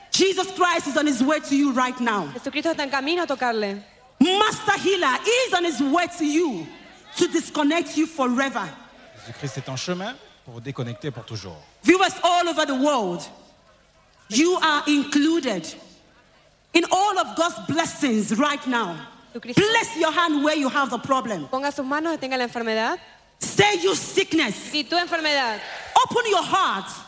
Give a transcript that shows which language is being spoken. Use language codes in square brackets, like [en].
[en] Jesus Christ is on his way to you right now. [es] Jesucristo está en camino a tocarle. [en] Master Healer is on his way to you to disconnect you forever. [fr] Jesucristo est en chemin pour vous déconnecter pour toujours. [en] Viewers all over the world, you are included in all of God's blessings right now. Bless your hand where you have the problem. [es] Ponga sus manos donde tenga la enfermedad. [en] Say you sickness. [es] Y tu enfermedad. [en] Open your heart.